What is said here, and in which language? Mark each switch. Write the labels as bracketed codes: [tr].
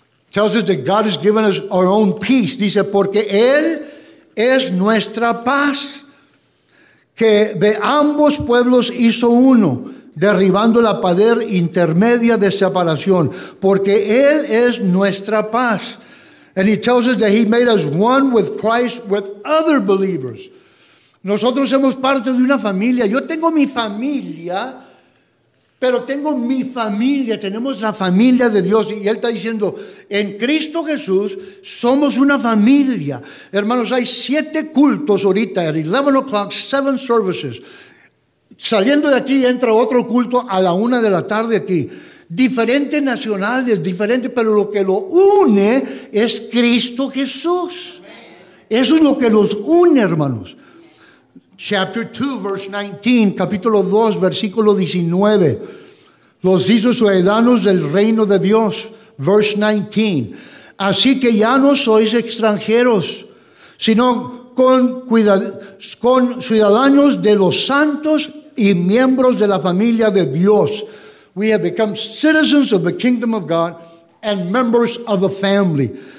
[en] Tells us that God has given us our own peace. [es] Dice, porque Él es nuestra paz, que de ambos pueblos hizo uno, derribando la pared intermedia de separación, porque Él es nuestra paz. [en] And he tells us that he made us one with Christ with other believers. [es] Nosotros somos parte de una familia. Yo tengo mi familia, pero tengo mi familia. Tenemos la familia de Dios. Y Él está diciendo, en Cristo Jesús somos una familia. Hermanos, hay siete cultos ahorita. [en] At 11 o'clock, seven services. [es] Saliendo de aquí entra otro culto a la una de la tarde aquí. Diferentes nacionales, diferentes, pero lo que lo une es Cristo Jesús. Eso es lo que nos une, hermanos. [en] Chapter 2, verse 19, [es] capítulo 2, versículo 19. Los hizo ciudadanos del reino de Dios. [en] Verse 19. [es] Así que ya no sois extranjeros, sino con ciudadanos de los santos y miembros de la familia de Dios. [en] We have become citizens of the kingdom of God and members of the family.